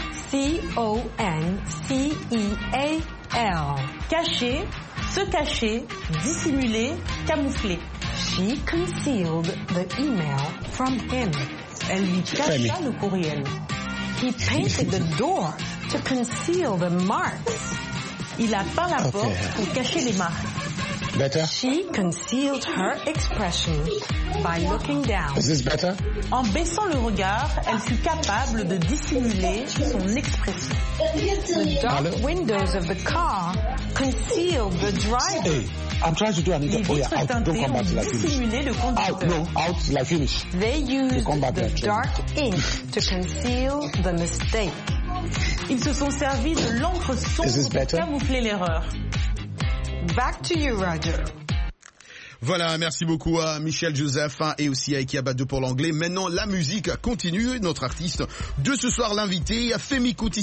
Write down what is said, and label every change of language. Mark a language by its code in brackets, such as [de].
[en] C-O-N-C-E-A-L. [fr] Cacher, se cacher, dissimuler, camoufler. [en] She concealed the email from him. [fr] Elle lui cacha le courriel. [en] He painted the door to conceal the marks. [fr] Il a peint la porte pour cacher les marques. [en] Better? She concealed her expression by looking down. Is this better? [fr] En baissant le regard, elle fut capable de dissimuler son expression. [en] The dark windows of the car concealed the driver. Hey. I'm trying to do an interview. Oh, yeah. Don't come back till I finish. Out till I finish. They used the dark ink to conceal the mistake. [fr] Ils se sont servis de l'encre sombre pour camoufler l'erreur. [en] Back to you, Roger. [fr] Voilà, merci beaucoup à Michel Joseph et aussi à Eki Abadou pour l'anglais. Maintenant, la musique continue. Notre artiste de ce soir, l'invité, Femi Kuti.